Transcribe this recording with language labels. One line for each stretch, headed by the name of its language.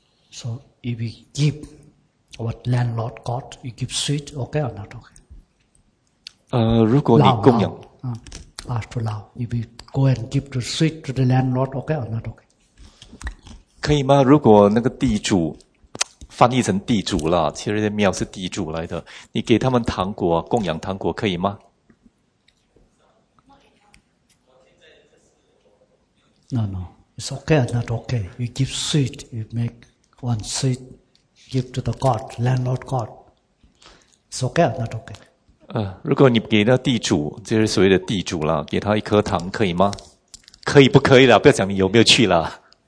English: So if we give what landlord got, you give sweet, okay or not okay?
Chinese: 如果你供养
English: ask to Lao, if we go and give the sweet to the landlord, okay or not okay?
Chinese: 可以吗? 如果那个地主, 翻译成地主啦, 其实庙是地主来的, 你给他们糖果, 供养糖果, 可以吗?
English: No, no. It's okay or not okay. You give sweet, you make one sweet, give to the god, landlord god. It's okay or not okay?
Chinese: 如果你给那地主, 就是所谓的地主啦, 给他一颗糖, 可以吗? 可以不可以啦, 不要讲你有没有去啦。